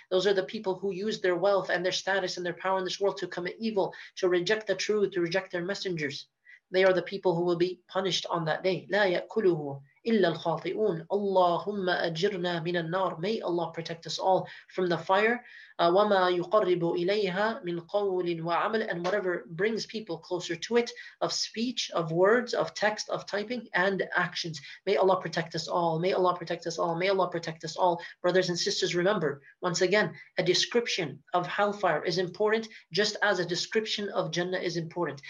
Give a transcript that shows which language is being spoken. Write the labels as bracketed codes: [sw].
[en] Those are the people who used their wealth and their status and their power in this world to commit evil, to reject the truth, to reject their messengers. They are the people who will be punished on that day. [ar] لا يأكله إلا الخاطئون. اللهم أجرنا من النار. [en] May Allah protect us all from the fire. [ar] وما يقرب إليها من قول وعمل. [en] And whatever brings people closer to it, of speech, of words, of text, of typing, and actions. May Allah protect us all. May Allah protect us all. May Allah protect us all. Brothers and sisters, remember, once again, a description of hellfire is important, just as a description of Jannah is important.